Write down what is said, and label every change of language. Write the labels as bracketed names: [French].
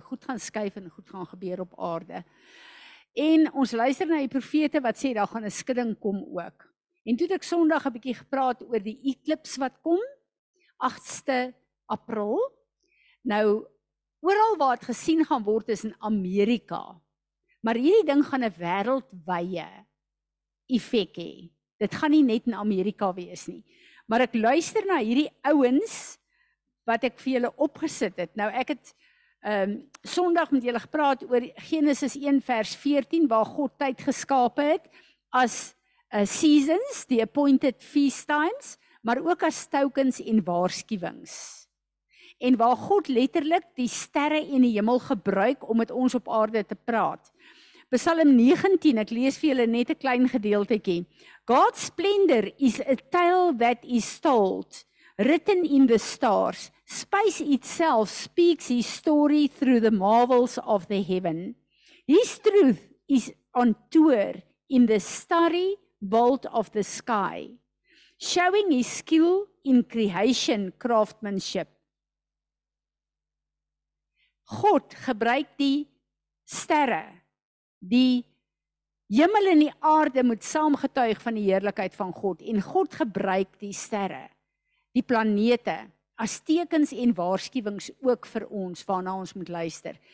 [Afrikaans] Goed gaan skuif en goed gaan gebeur op aarde. En ons luister na die profete wat sê daar gaan 'n skudding kom ook. En toe het ek Sondag 'n bietjie gepraat oor die eklips wat kom 8ste April. Nou oral waar dit gesien gaan word is in Amerika. Maar hierdie ding gaan 'n wêreldwye effek hê. Dit gaan nie net in Amerika wees nie. Maar ek luister na hierdie ouens wat ek vir julle opgesit het. Nou ek het Sondag met julle gepraat oor Genesis 1 vers 14 waar God tyd geskape het as [English] seasons, the appointed feast times, [Afrikaans] maar ook as tokens en waarskuwings. En waar God letterlik die sterre en die hemel gebruik om met ons op aarde te praat. Psalm 19, ek lees vir julle net 'n klein gedeeltjie. [English] God's splendor is a tale that is told, written in the stars. Space itself speaks his story through the marvels of the heaven. His truth is on tour in the starry vault of the sky, showing his skill in creation craftsmanship. [Afrikaans] God gebruik die sterre, die hemel en die aarde moet saamgetuig van die heerlikheid van God en God gebruik die sterre, die planete as tekens en waarskuwings ook vir ons waarna ons moet luister.